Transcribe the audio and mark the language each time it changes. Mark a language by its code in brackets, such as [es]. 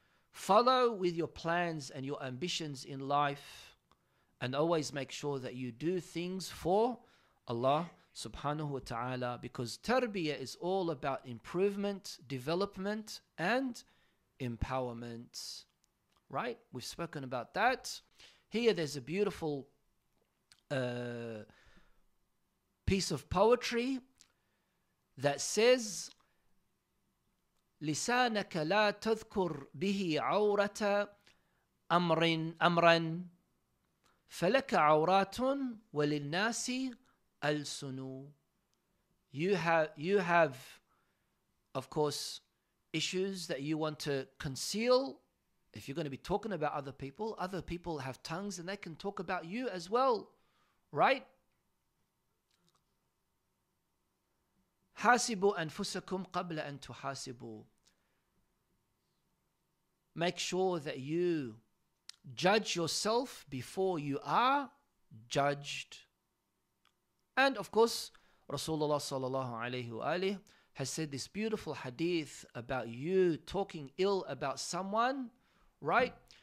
[en] Follow with your plans and your ambitions in life, and always make sure that you do things for Allah subhanahu wa ta'ala, because tarbiyah is all about improvement, development, and empowerment. Right? We've spoken about that. Here there's a beautiful piece of poetry that says, [ar] لسانك لا تذكر به عورة أمرا فلك عورات وللناس ألسنو. [en] You have, of course, issues that you want to conceal. If you're going to be talking about other people have tongues and they can talk about you as well, right? [ar] حاسبوا أنفسكم قبل أن تحاسبوا. [en] Make sure that you judge yourself before you are judged. And of course, Rasulullah sallallahu alayhi wa alayhi has said this beautiful hadith about you talking ill about someone, right?